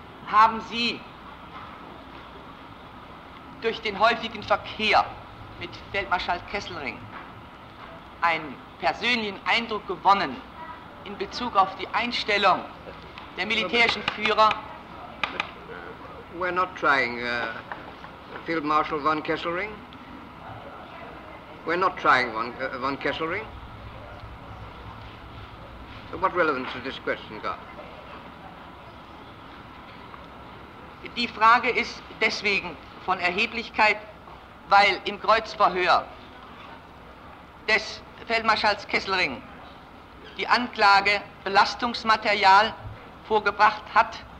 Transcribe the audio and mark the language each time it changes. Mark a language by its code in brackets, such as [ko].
[de] Haben Sie durch den häufigen Verkehr mit Feldmarschall Kesselring einen persönlichen Eindruck gewonnen in Bezug auf die Einstellung der militärischen Führer. [en] We're not trying, Field Marshal von Kesselring. We're not trying von Kesselring. What relevance has this question got? [de] Die Frage ist deswegen von Erheblichkeit, weil im Kreuzverhör des Feldmarschalls Kesselring die Anklage Belastungsmaterial vorgebracht hat,